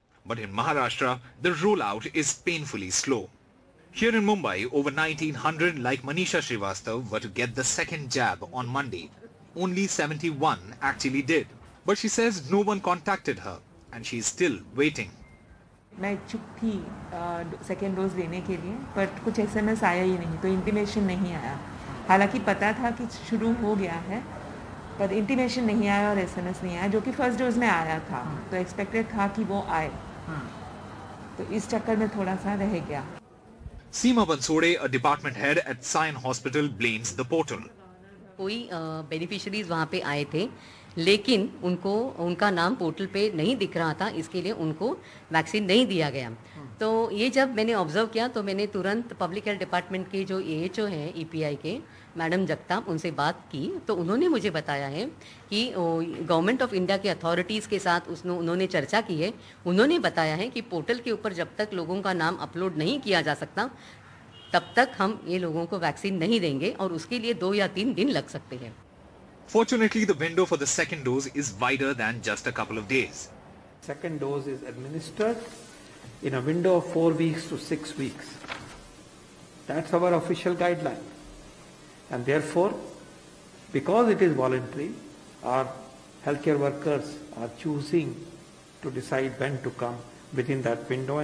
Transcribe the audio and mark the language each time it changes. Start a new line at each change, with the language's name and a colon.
English: But in Maharashtra, the rollout is painfully slow. Here in Mumbai, over 1,900 like Manisha Srivastav were to get the second jab on Monday. Only 71 actually did. But she says no one contacted her and she is still waiting.
Hindi: मैं इच्छुक थी second dose लेने के लिए, but कुछ SMS आया ही नहीं, तो intimation नहीं आया. हालांकि पता था कि शुरू हो गया है. पर इंटीमेशन नहीं आया और एसएमएस नहीं आया जो कि फर्स्ट डोज में आया था तो एक्सपेक्टेड था कि वो आए तो इस चक्कर में थोड़ा सा रह गया.
English: Seema Bansode, a department head at Sion hospital, blames the portal.
Hindi: कोई बेनिफिशियरीज वहां पे आए थे लेकिन उनको उनका नाम पोर्टल पे नहीं दिख रहा था, इसके लिए उनको वैक्सीन नहीं दिया गया. तो ये जब मैंने ऑब्जर्व किया तो मैंने तुरंत पब्लिक हेल्थ डिपार्टमेंट के जो एएचओ हैं ईपीआई के मैडम जगताप, उनसे बात की तो उन्होंने मुझे बताया है कि गवर्नमेंट ऑफ इंडिया के अथॉरिटीज़ के साथ उन्होंने चर्चा की है. उन्होंने बताया है कि पोर्टल के ऊपर जब तक लोगों का नाम अपलोड नहीं किया जा सकता तब तक हम ये लोगों को वैक्सीन नहीं देंगे और उसके लिए 2 या 3 दिन लग सकते हैं.
English: Fortunately, the window for the second dose is wider than just a couple of days. Second dose is administered in a window of 4 weeks to 6 weeks. That's our official guideline. And therefore, because it is voluntary, our healthcare workers are choosing to decide when to come within that window.